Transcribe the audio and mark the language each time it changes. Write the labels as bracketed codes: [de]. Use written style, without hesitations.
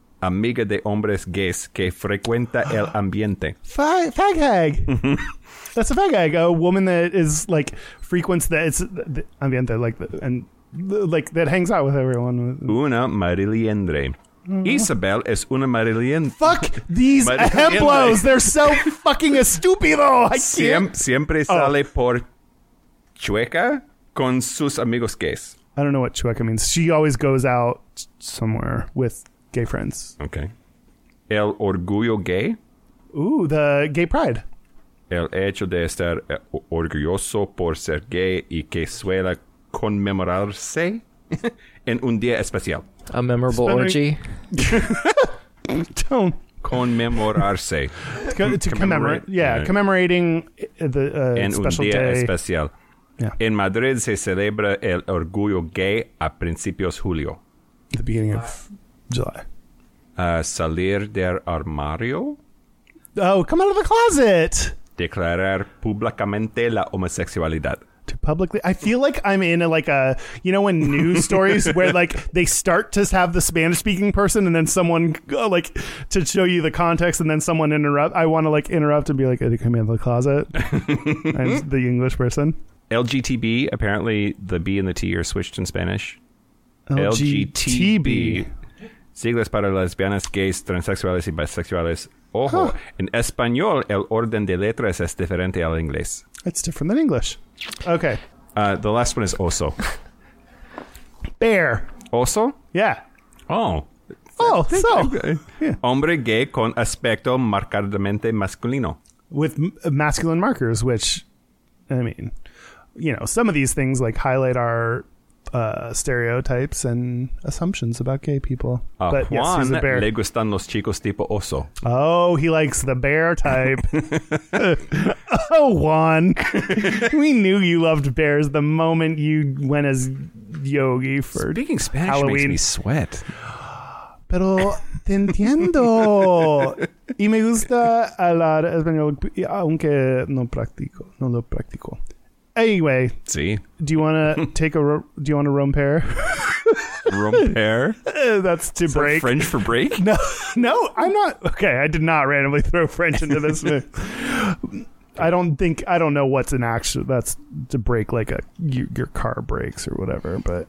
[es] Amiga de hombres gays que frecuenta el ambiente. [en] Fag hag. That's a fag hag. A woman that is like frequents the ambiente, like like that hangs out with everyone. [es] Una Mariliendre. Isabel es una Mariliendre. [en] Fuck these ejemplos. They're so fucking estúpido. [es] Siempre sale por chueca con sus amigos gays. [en] I don't know what chueca means. She always goes out somewhere with gay friends. [es] Okay. El orgullo gay. [en] Ooh, the gay pride. [es] El hecho de estar orgulloso por ser gay y que suele conmemorarse en un día especial. [en] A memorable orgy. Don't. [es] Conmemorarse. [en] To commemorate. Yeah, right. Commemorating the [es] en [en] special [es] un día [en] day. [es] Especial. [en] Yeah. [es] En Madrid se celebra el orgullo gay a principios julio. [en] The beginning of July. [es] Salir del armario. [en] Oh, come out of the closet. [es] Declarar públicamente la homosexualidad. [en] To publicly, I feel like I'm in a, like a, you know, when news stories where like they start to have the Spanish speaking person and then someone like to show you the context and then someone interrupt. I want to like interrupt and be like, "Are they coming out of the closet?" I'm the English person. LGTB, apparently the B and the T are switched in Spanish. LGTB. [es] Siglas para lesbianas, gays, transexuales y bisexuales. Ojo, en español el orden de letras es diferente al inglés. [en] It's different than English. Okay. The last one is oso. Bear. [es] Oso? [en] Yeah. Oh. Oh, so. Okay. [es] Yeah. Hombre gay con aspecto marcadamente masculino. [en] With masculine markers, which, I mean, you know, some of these things like highlight our stereotypes and assumptions about gay people. But Juan, yes, he's a bear. [es] Le gustan los chicos tipo oso. [en] Oh, he likes the bear type. Oh, Juan. We knew you loved bears the moment you went as Yogi for speaking Spanish Halloween. Makes me sweat. [es] Pero te entiendo. Y me gusta hablar español, aunque no practico. No lo practico. Anyway, [en] see. Do you want to take a do you want a romper? [es] Romper? [en] That's to Is break. That French for break? No. No, I'm not. Okay, I did not randomly throw French into this. I don't know what's an action. That's to break like a your car breaks or whatever, but